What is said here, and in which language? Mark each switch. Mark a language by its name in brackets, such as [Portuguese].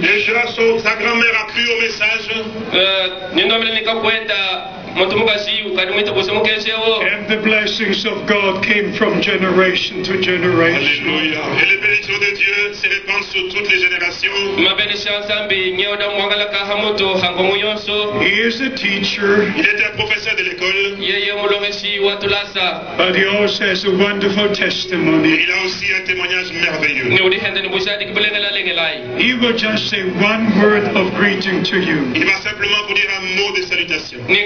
[French] Déjà sa grand-mère a cru au message. [English] And the blessings of God came from generation to generation. Alleluia. [French] Et les bénédictions de Dieu se répandent sur toutes les générations. [English] He is a teacher. [French] Il était un professeur de l'école. [English] But he also has a wonderful testimony. [French] Il a aussi un témoignage merveilleux. [English] He will just say one word of greeting to you. [French] Il va simplement vous dire un mot de salutation.